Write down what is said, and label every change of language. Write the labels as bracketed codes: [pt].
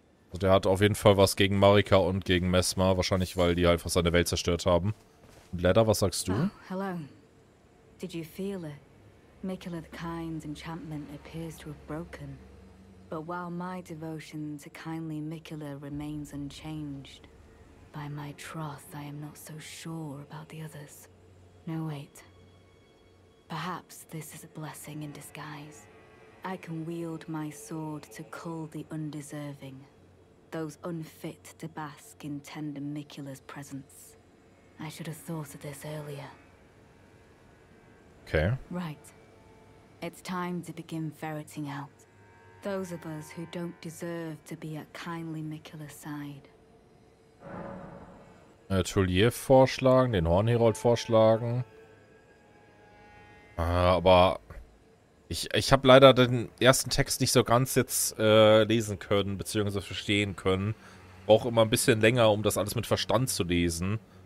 [de] Also der hat auf jeden Fall was gegen Marika und gegen Mesmer. Wahrscheinlich, weil die halt seine Welt zerstört haben. Und Ladder, was sagst du? [en] Oh, hello. Did you feel it? Mikela the Kind's enchantment appears to have broken. But while my devotion to kindly Mikela remains unchanged, by my troth, I am not so sure about the others. No, wait. Perhaps this is a blessing in disguise. I can wield my sword to cull the undeserving, those unfit to bask in tender Mikula's presence. I should have thought of this earlier. Okay. Right. It's time to begin ferreting out those of us who don't deserve to be at kindly Mikula's side. [de] Tulliev vorschlagen, den Hornherold vorschlagen. Aber ich habe leider den ersten Text nicht so ganz jetzt lesen können, beziehungsweise verstehen können. Brauche immer ein bisschen länger, um das alles mit Verstand zu lesen.